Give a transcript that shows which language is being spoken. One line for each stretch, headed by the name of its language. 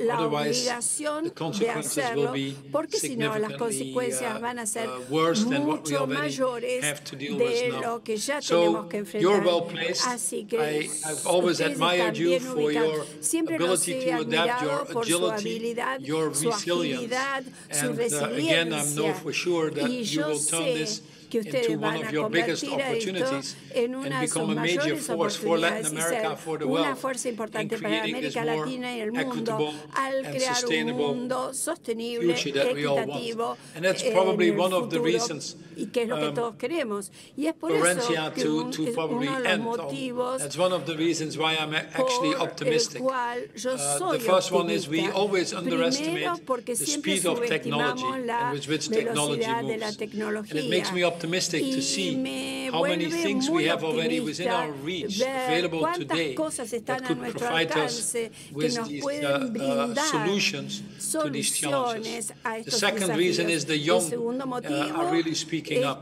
English: Otherwise, the consequences will be significantly worse than what we already have to deal with now. So you're well placed. I've always admired you for your ability to adapt, your agility, your resilience. And again, I know for sure that you will turn this
Spanish: que ustedes van a convertir a esto en una de sus mayores oportunidades y ser una fuerza importante para América Latina y el mundo al crear un mundo sostenible, equitativo en el futuro, y que es lo que todos queremos. Y es por eso que es uno de los motivos por el cual yo soy optimista. Primero, porque siempre subestimamos la velocidad de la tecnología.
English: And it makes me optimistic to see how many things we have already within our reach available today that could provide us with these solutions to these challenges. The second reason is the young are really speaking up.